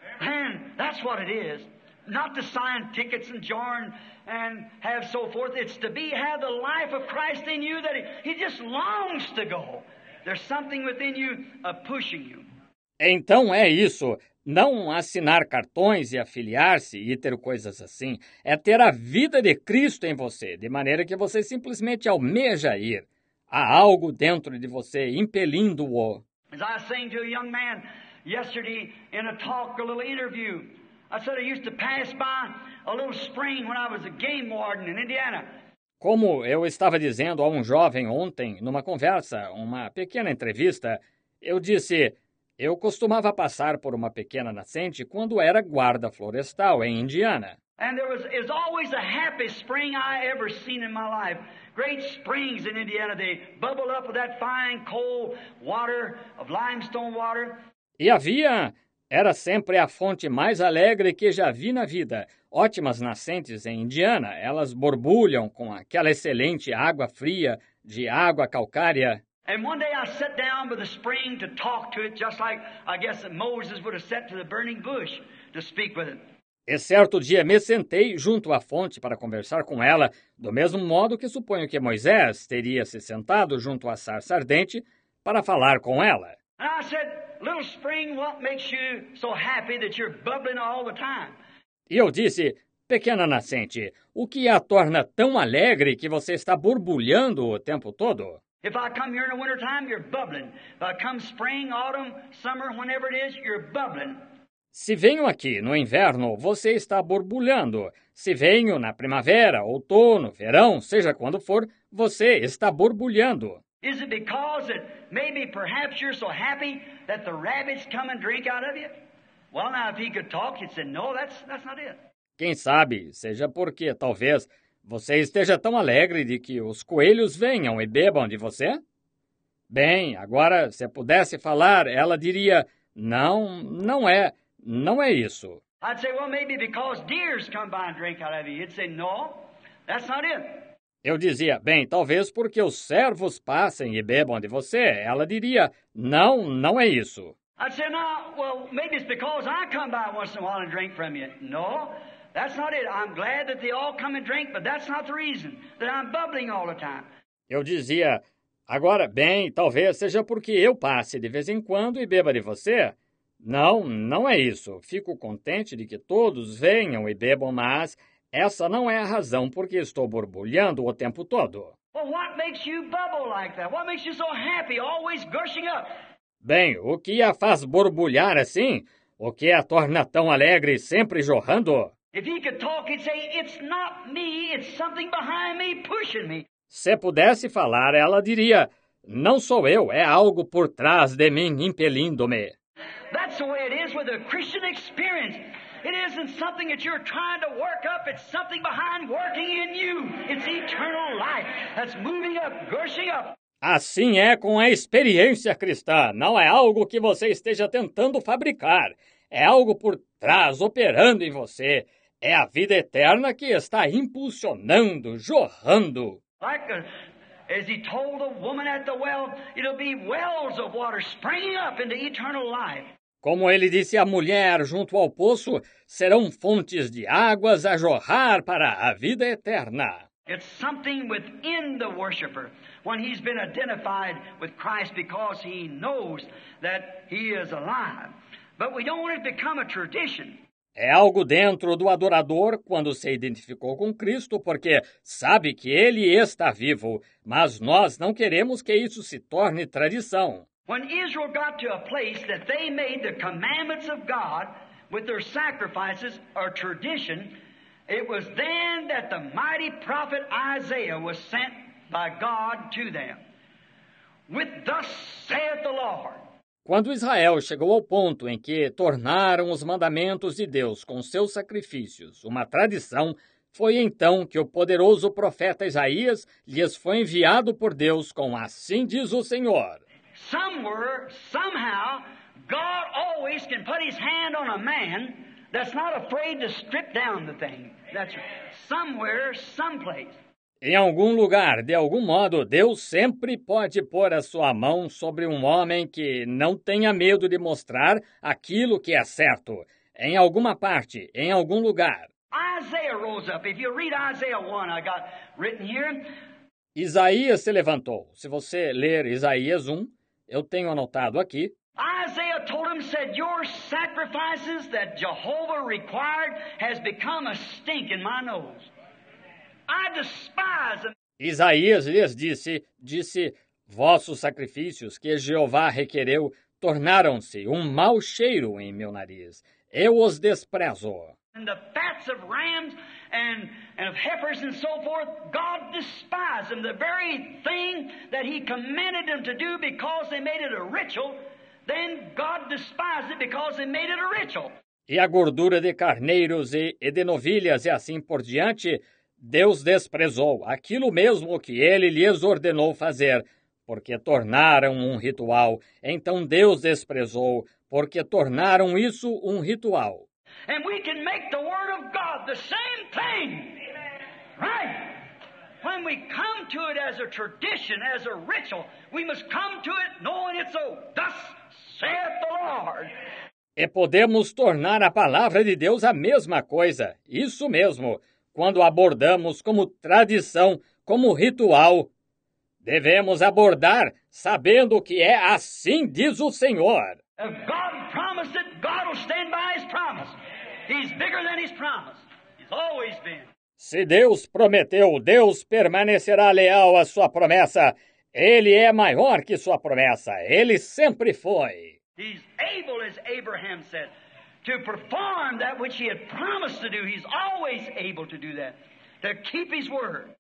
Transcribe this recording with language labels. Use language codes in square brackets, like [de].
[en] And that's what it is. Not to sign tickets and join and have so forth. It's to be have the life of Christ in you that he just longs to go. There's something within you pushing you. [pt] Então é isso. Não assinar cartões e afiliar-se e ter coisas assim é ter a vida de Cristo em você, de maneira que você simplesmente almeja ir. Há algo dentro de você impelindo-o. [en] As I was saying to a young man yesterday in a talk, a little interview, I said I used to pass by a little spring when I was a game warden in Indiana. [pt] Como eu estava dizendo a um jovem ontem, numa conversa, uma pequena entrevista, eu disse... Eu costumava passar por uma pequena nascente quando era guarda florestal em Indiana. [en] And there was is always a happy spring I ever seen in my life. Great springs in Indiana, they bubble up with that fine cold water of limestone water. [pt] E havia era sempre a fonte mais alegre que já vi na vida. Ótimas nascentes em Indiana, elas borbulham com aquela excelente água fria de água calcária. [en] And one day I sat down by the spring to talk to it, just like I guess Moses would have sat to the burning bush to speak with it. [pt] E certo dia me sentei junto à fonte para conversar com ela, do mesmo modo que suponho que Moisés teria se sentado junto à sarça ardente para falar com ela. [en] And I said, little spring, what makes you so happy that you're bubbling all the time? [pt] E eu disse, pequena nascente, o que a torna tão alegre que você está borbulhando o tempo todo? [en] If I come here in the winter time, you're bubbling. If I come spring, autumn, summer, whenever it is, you're bubbling. [pt] Se venho aqui no inverno, você está borbulhando. Se venho na primavera, outono, verão, seja quando for, você está borbulhando. [en] Is it because that maybe perhaps you're so happy that the rabbits come and drink out of you? Well, now, if he could talk, he'd say, no, that's not it. [pt] Quem sabe, seja porque, talvez... Você esteja tão alegre de que os coelhos venham e bebam de você? Bem, agora, se pudesse falar, ela diria, não, não é, não é isso. [en] I'd say, well, maybe because deers come by and drink out of you. You'd say, no, that's not it. [pt] Eu dizia, bem, talvez porque os servos passem e bebam de você. Ela diria, não, não é isso. [en] I'd say, no, well, maybe it's because I come by once in a while and drink from you. No, that's not it. I'm glad that they all come and drink, but that's not the reason that I'm bubbling all the time. [pt] Eu dizia, agora, bem, talvez seja porque eu passe de vez em quando e beba de você. Não, não é isso. Fico contente de que todos venham e bebam, mas essa não é a razão porque estou borbulhando o tempo todo. [en] Well, what makes you bubble like that? What makes you so happy, always gushing up? [pt] Bem, o que a faz borbulhar assim? O que a torna tão alegre, sempre jorrando? [en] If he could talk, he'd say, it's not me, it's something behind me, pushing me. [pt] Se pudesse falar, ela diria, não sou eu, é algo por trás de mim, impelindo-me. [en] That's the way it is with a Christian experience. It isn't something that you're trying to work up, it's something behind working in you. It's eternal life that's moving up, gushing up. [pt] Assim é com a experiência cristã. Não é algo que você esteja tentando fabricar. É algo por trás, operando em você. É a vida eterna que está impulsionando, jorrando. [en] Like as he told the woman at the well, it'll be wells of water springing up into eternal life. [pt] Como ele disse à mulher junto ao poço, serão fontes de águas a jorrar para a vida eterna. [en] It's something within the worshiper when he's been identified with Christ because he knows that he is alive. But we don't want it to become a tradition. [pt] É algo dentro do adorador quando se identificou com Cristo porque sabe que ele está vivo, mas nós não queremos que isso se torne tradição. [en] When Israel got to a place that they made the commandments of God with their sacrifices a tradition, it was then that the mighty prophet Isaiah was sent by God to them. With thus saith the Lord. [pt] Quando Israel chegou ao ponto em que tornaram os mandamentos de Deus com seus sacrifícios uma tradição, foi então que o poderoso profeta Isaías lhes foi enviado por Deus com assim diz o Senhor. [en] Somewhere, somehow, God always can put his hand on a man that's not afraid to strip down the thing. That's somewhere, someplace. [pt] Em algum lugar, de algum modo, Deus sempre pode pôr a sua mão sobre um homem que não tenha medo de mostrar aquilo que é certo. Em alguma parte, em algum lugar. [en] Isaiah rose up. If you read Isaiah 1, I got written here. [pt] Isaías se levantou. Se você ler Isaías 1, eu tenho anotado aqui. [en] Isaiah told him, said, your sacrifices that Jehovah required has become a stink in my nose. I despise them. [pt] Isaías lhes disse, vossos sacrifícios que Jeová requereu tornaram-se um mau cheiro em meu nariz. Eu os desprezo. [en] And the fats of rams and of heifers and so forth, God despised them. The very thing that he commanded them to do because they made it a ritual, then God despised it because they made it a ritual. [pt] E a gordura de carneiros e de novilhas e assim por diante, Deus desprezou aquilo mesmo que ele lhes ordenou fazer, porque tornaram um ritual. Então Deus desprezou, porque tornaram isso um ritual. [en] And we can make the word of God the same thing. Right? When we come to it as a tradition, as a ritual, we must come to it knowing it's so. Thus saith the Lord. [pt] E podemos tornar a palavra de Deus a mesma coisa. Isso mesmo. Quando abordamos como tradição, como ritual, devemos abordar sabendo que é assim, diz o Senhor. [en] If God promised it, God will stand by his promise. He's bigger than his promise. He's always been. [pt] Se Deus prometeu, Deus permanecerá leal à sua promessa. Ele é maior que sua promessa. Ele sempre foi. [en] He's able, as Abraham said, to perform that which he had promised to do. He's always able to do that, to keep his word.